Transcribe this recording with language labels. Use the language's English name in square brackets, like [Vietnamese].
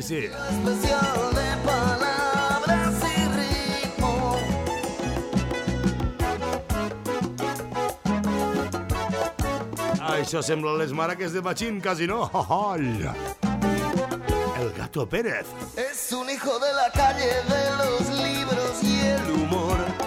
[Spanish] Especial de palabras y ritmo. [Catalan] Això sembla les maraques de Machín, quasi no. [Spanish] El Gato Pérez. Es un hijo de la calle, de los libros y el humor.